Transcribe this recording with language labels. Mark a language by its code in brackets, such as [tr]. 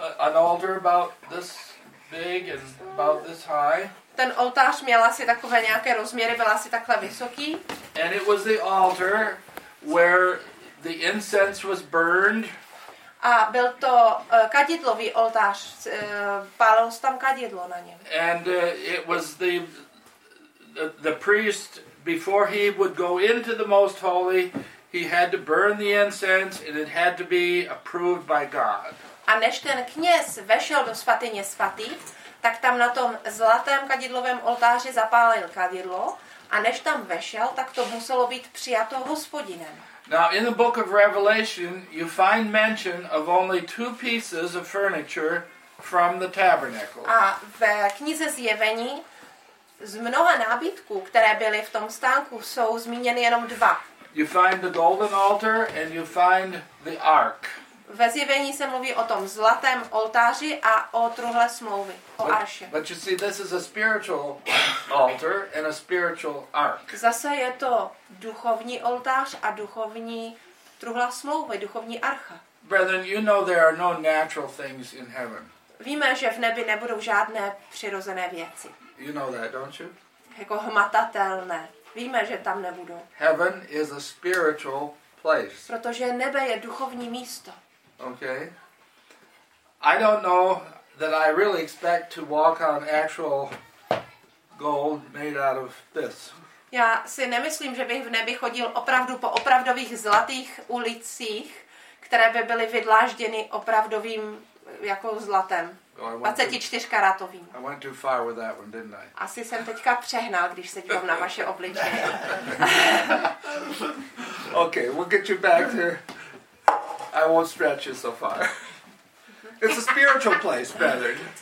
[en] An altar about this big and about this high. [cs] Ten oltář měl asi takové nějaké rozměry, byl asi takhle vysoký. [en] And it was the altar where the incense was burned. [cs] A byl to kadidlový oltář, pálilo se tam kadidlo na něm. [en] And it was the priest, before he would go into the most holy, he had to burn the incense and it had to be approved by God. [cs] A než ten kněz vešel do svatyně svatý, tak tam na tom zlatém kadidlovém oltáři zapálil kadidlo a než tam vešel, tak to muselo být přijato Hospodinem. [en] Now in the book of Revelation you find mention of only two pieces of furniture from the tabernacle. [cs] A ve knize Zjevení z mnoha nábytků, které byly v tom stánku, jsou zmíněny jenom dva. [en] You find the golden altar and you find the ark. [cs] Ve Zjevení se mluví o tom zlatém oltáři a o truhle smlouvy, o arše. [en] But you see, this is a spiritual altar and a spiritual ark. [cs] Zase je to duchovní oltář a duchovní truhla smlouvy, duchovní archa. [en] Brethren, you know there are no natural things in heaven. [cs] Víme, že v nebi nebudou žádné přirozené věci. [en] You know that, don't you? [cs] Jako hmatatelné. Víme, že tam nebudou. [en] Heaven is a spiritual place. [cs] Protože nebe je duchovní místo. [en] Okay. I don't know that I really expect to walk on actual gold made out of this. [cs] Já si nemyslím, že bych v nebi chodil opravdu po opravdových zlatých ulicích, které by byly vydlážděny opravdovým jako zlatem. 24 karatovým. [en] I went too far with that one, didn't I? [cs] Asi jsem teďka přehnal, když se dívám na vaše obličeje. [en] Okay, we'll get you back to. I won't stretch you so far. It's a spiritual place, brethren.